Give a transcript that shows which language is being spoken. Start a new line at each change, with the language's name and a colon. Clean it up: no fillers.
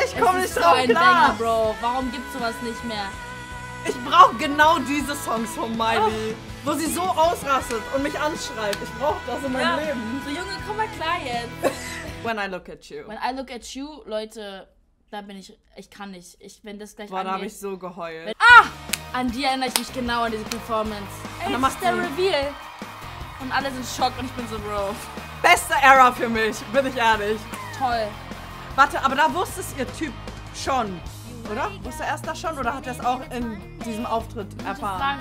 German: Ich komme nicht drauf klar. Das ist so ein Banger, Bro. Warum gibt's sowas nicht mehr? Ich brauche genau diese Songs von Miley. Ach. Wo sie so ausrastet und mich anschreibt. Ich brauche das in meinem Leben. So, Junge, komm mal klar jetzt.
English: When I look at you. When I look at you,
German: Leute, da bin ich... Ich kann nicht. Ich bin das gleich. Boah, da habe ich so geheult. An die erinnere ich mich genau an diese Performance. Ey, das ist der Reveal. Und alle sind schockt und ich bin so, Bro. Beste Era für mich, bin ich ehrlich. Toll. Warte, aber da wusste es ihr Typ schon, oder? Wusste er erst das schon oder hat er es auch in diesem Auftritt erfahren?